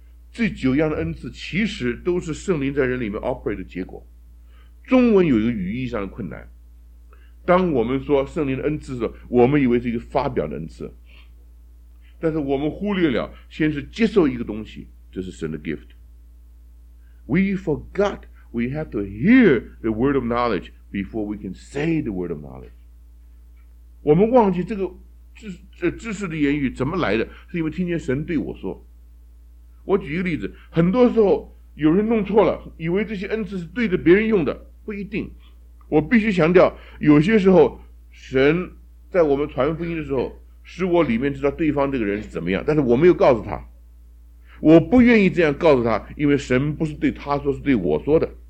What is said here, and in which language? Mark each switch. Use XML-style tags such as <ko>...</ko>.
<zh>这九样的恩赐其实都是圣灵在人里面 operate 的结果。中文有一个语义上的困难，当我们说圣灵的恩赐的时候，我们以为是一个发表的恩赐，但是我们忽略了先是接受一个东西，这是神的 gift。</zh> <en>We forgot we have to hear the word of knowledge before we can say the word of knowledge。</en> <zh>我们忘记这个 知识的言语怎么来的，是因为听见神对我说。我举一个例子，很多时候有人弄错了，以为这些恩赐是对着别人用的，不一定。我必须强调，有些时候神在我们传福音的时候使我里面知道对方这个人是怎么样，但是我没有告诉他，我不愿意这样告诉他，因为神不是对他说，是对我说的。</zh>